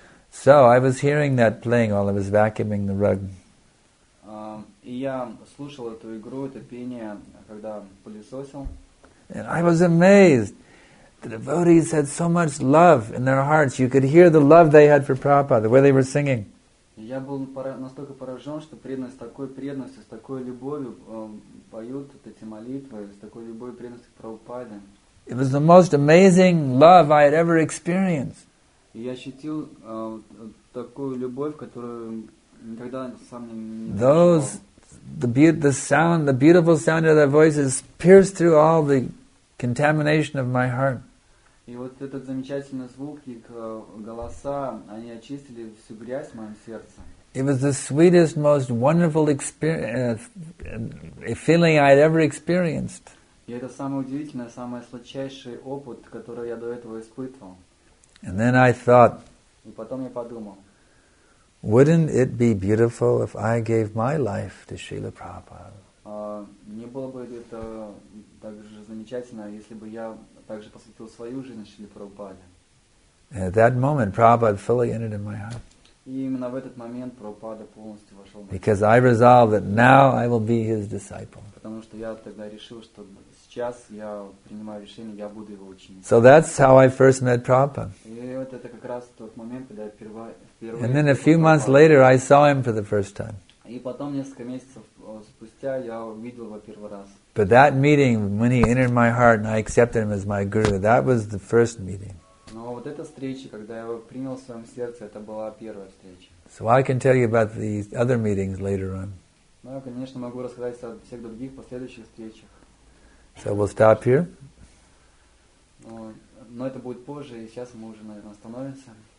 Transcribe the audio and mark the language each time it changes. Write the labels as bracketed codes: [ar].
[en] So I was hearing that playing while I was vacuuming the rug. [ru] Я слушал эту игру, это пение, когда пылесосил. [en] And I was amazed. The devotees had so much love in their hearts. You could hear the love they had for Prabhupada, the way they were singing. [ru] Я был настолько поражен, что преданность с такой преданностью, с такой любовью поют эти молитвы, с такой любовью преданностью к Прабхупаде. [en] It was the most amazing love I had ever experienced. [ru] И я ощутил такую любовь, которую никогда сам не ощущал. [en] Those, the beautiful sound of their voices pierced through all the contamination of my heart. [ru] И вот этот замечательный звук, их голоса, они очистили всю грязь в моем сердце. [en] It was the sweetest, most wonderful feeling I had ever experienced. [ru] И это самый удивительный, самый сладчайший опыт, который я до этого испытывал. [en] And then I thought, [ru] и потом я подумал, [en] wouldn't it be beautiful if I gave my life to Srila Prabhupada? [ru] Не было бы это так же замечательно, если бы я также посвятил свою жизнь Шриле Прабхупаде. [en] At that moment, Prabhupada fully entered in my heart. [ru] И именно в этот момент Прабхупада полностью вошел в мое сердце. [en] Because I resolved that now I will be his disciple. [ru] Потому что я тогда решил, что сейчас я принимаю решение, я буду его учеником. [en] So that's how I first met Prabhupada. [ru] И вот это как раз тот момент, когда я впервые. [en] And then a few months later, I saw him for the first time. [ru] потом несколько месяцев спустя я увидел его первый раз. [en] But that meeting, when he entered my heart and I accepted him as my guru, that was the first meeting. [ru] Но вот эта встреча, когда я его принял в своем сердце, это была первая встреча. [en] So I can tell you about these other meetings later on. [ru] Ну, я, конечно, могу рассказать о всех других последующих встречах. [en] So we'll stop here. [ru] Но это будет позже, и сейчас мы уже, наверное, остановимся.